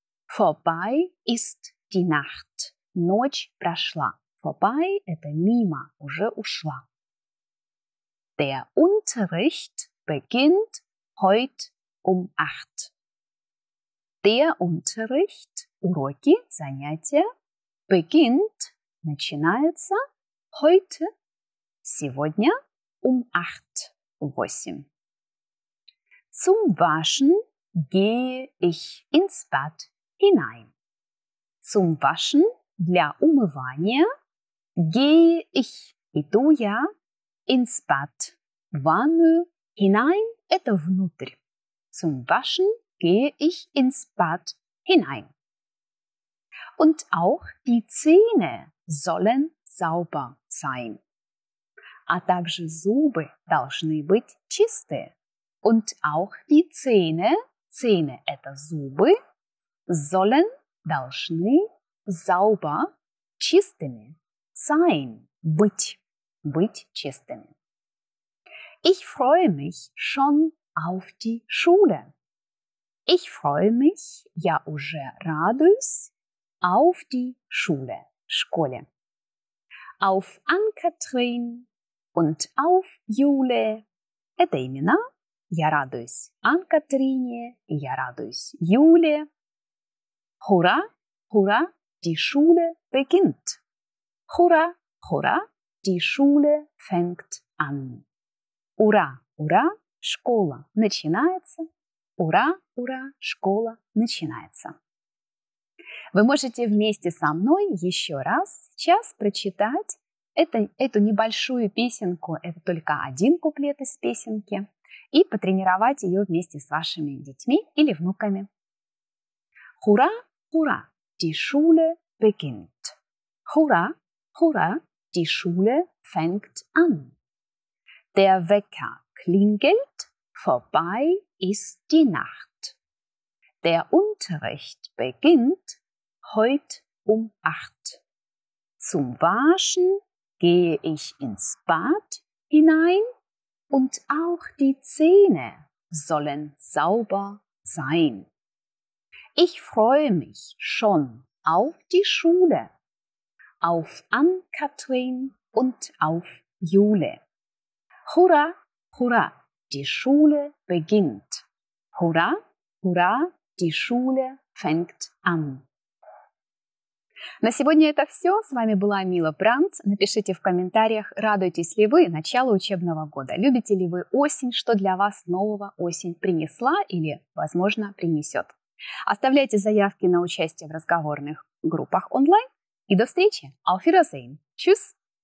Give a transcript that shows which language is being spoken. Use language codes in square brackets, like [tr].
[de] Vorbei ist die Nacht. [ru] Ночь прошла. Vorbei – это мимо, уже ушла. [de] Der Unterricht beginnt heute um 8. Der Unterricht, [ru] уроки, занятия, [de] beginnt, [ru] начинается, [de] heute, [ru] сегодня, [de] um 8, 8. Zum Waschen gehe ich ins Bad hinein. Zum Waschen, [ru] для умывания, [de] Gehe ich, [ru] иду я, [de] ins Bad, [ru] в ванную, [de] hinein, [ru] это внутрь. [de] Zum Waschen gehe ich ins Bad hinein. Und auch die Zähne sollen sauber sein. [ru] А также зубы должны быть чистые. [de] Und auch die Zähne, [ru] Zähne это зубы, [de] sollen, [ru] должны, [de] sauber, [ru] чистыми, [de] sein, [ru] быть, быть чистыми. [de] Ich freue mich schon auf die Schule. Ich freue mich, [ru] я уже радуюсь, [de] auf die Schule, [ru] школе. [de] Auf Ann-Kathrin und auf Jule, [ru] это имена. Я радуюсь Ann-Kathrine, я радуюсь Юле. [de] Hurra, hurra, die Schule beginnt. Hurra, hurra, die Schule fängt an. [ru] Ура, ура, школа начинается. Ура, ура, школа начинается. Вы можете вместе со мной еще раз сейчас прочитать эту небольшую песенку. Это только один куплет из песенки. И потренировать ее вместе с вашими детьми или внуками. [de] Hurra, hurra, die Schule beginnt. Hurra, hurra, die Schule fängt an. Der Wecker klingelt, vorbei ist die Nacht. Der Unterricht beginnt heute um 8. Zum Waschen gehe ich ins Bad hinein. Und auch die Zähne sollen sauber sein. Ich freue mich schon auf die Schule, auf Ann-Kathrin und auf Jule. Hurra, hurra, die Schule beginnt. Hurra, hurra, die Schule fängt an. [ru] На сегодня это все. С вами была Мила Брандт. Напишите в комментариях, радуетесь ли вы началу учебного года. Любите ли вы осень? Что для вас нового осень принесла или, возможно, принесет? Оставляйте заявки на участие в разговорных группах онлайн. И до встречи. [de] Auf Wiedersehen. Tschüss.